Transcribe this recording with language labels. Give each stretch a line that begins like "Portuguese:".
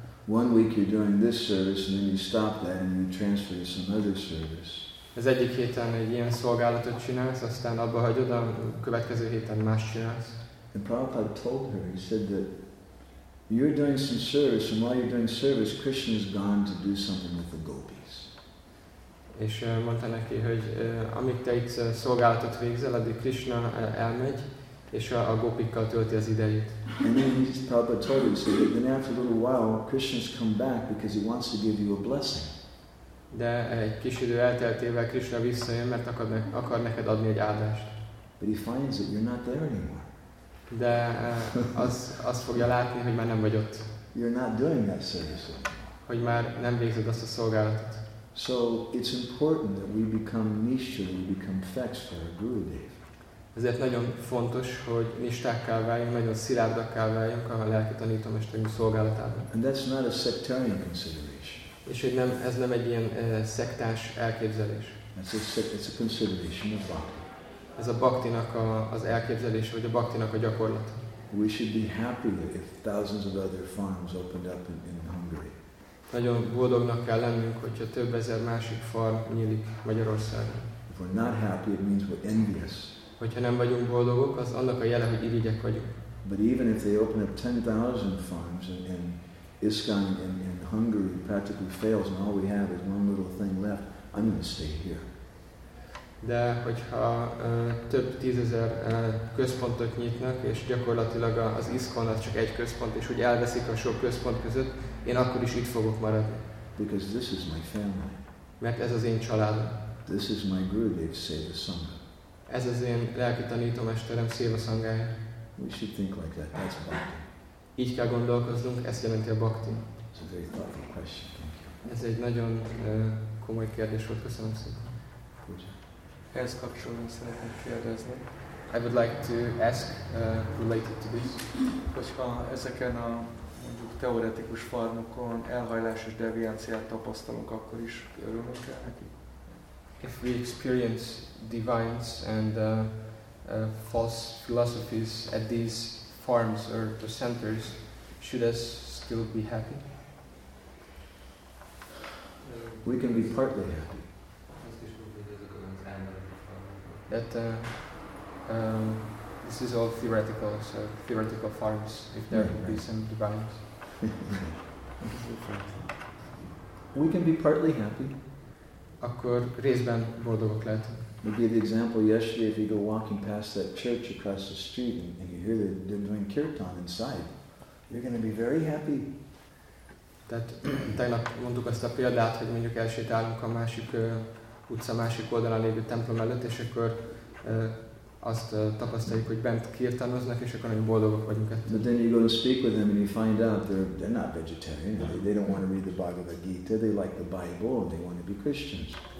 English: One week you're doing this service, and then you stop that, and you transfer to some other service.
Hungarian: Az egyik héten egy ilyen szolgálatot csinálsz, aztán abba hagyod, a következő héten más csinálsz.
English: And Prabhupada told her, he said that you're doing some service, and while you're doing service, Krishna is gone to do something with the gopis.
Hungarian: És mondta neki, hogy amíg te itt szolgálatot végzel, addig Krishna elmegy, és a gopikkal tölti az idejét.
English: And then Prabhupada told her, he said that then after a little while, Krishna's come back because he wants to give you a blessing.
Hungarian: De egy kis idő elteltével Krishna visszajön, mert akar neked adni egy áldást.
English: But he finds that you're not there anymore.
Hungarian: De az fogja látni, hogy már nem vagy ott.
English: You're not doing that service.
Hungarian: Hogy már nem végzed azt a szolgálatot.
English: So it's important that we become nishtha, we become facts for our Gurudev.
Hungarian: Ezért nagyon fontos, hogy nishtákká váljunk, nagyon szilárdakká váljunk a lelki tanítómesterünk szolgálatában.
English: And that's not a sectarian consideration.
Hungarian: És hogy nem, ez nem egy ilyen szektás elképzelés.
English: It's a consideration of bhakti.
Hungarian: Ez a bhaktinak az elképzelése, vagy a bhaktinak a gyakorlat.
English: We should be happy if thousands of other farms opened up in Hungary.
Hungarian: Nagyon boldognak kell lennünk, hogyha több ezer másik farm nyílik Magyarországon.
English: If we're not happy, it means we're envious.
Hungarian: Hogyha nem vagyunk boldogok, az annak a jele, hogy irigyek vagyunk.
English: But even if they open up 10,000 farms in ISKCON in Hungary practically fails and all we have is one little thing left, I'm going to stay here.
Hungarian: De hogyha több tízezer központot nyitnak, és gyakorlatilag az ISKCON az csak egy központ, és úgy elveszik a sok központ között, én akkor is itt fogok maradni.
English: Because this is my family.
Hungarian: Mert ez az én családom.
English: This is my Gurudev Seva Sangha.
Hungarian: Ez az én lelki tanítómesterem Seva Sanghája.
English: We should think like that. That's bhakti.
Hungarian: Így kell gondolkoznunk, ezt jelenti a bhakti.
English: It's a very thoughtful question. Thank you.
Hungarian: Ez egy nagyon komoly kérdés volt, köszönöm szépen. Puja. Ehhez kapcsolatban szeretnék kérdezni.
English: I would like to ask related to this.
Hungarian: Hogyha ezeken a mondjuk teoretikus farmokon elhajlásos devianciát tapasztalunk, akkor is örülünk el neki?
English: If we experience deviance and false philosophies at these farms or the centers, should us still be happy? We can be partly happy. That this is all theoretical, so theoretical farms, if there would be some divines. We can be partly happy.
Hungarian: Akkor részben boldogok lehetünk.
English: Maybe the example yesterday, if you go walking past that church across the street and you hear that they're doing kirtan inside, you're going to be very happy.
Hungarian: Tehát tegnap mondtuk ezt a példát, hogy mondjuk elsétálunk a másik utca másik oldalán lévő templom előtt, és akkor azt tapasztaljuk, hogy bent kirtanoznak, és akkor nagyon boldogok vagyunk ettől.
English: But then you go to speak with them and you find out they're not vegetarian. They don't want to read the Bhagavad Gita. They like the Bible and they want to be Christians.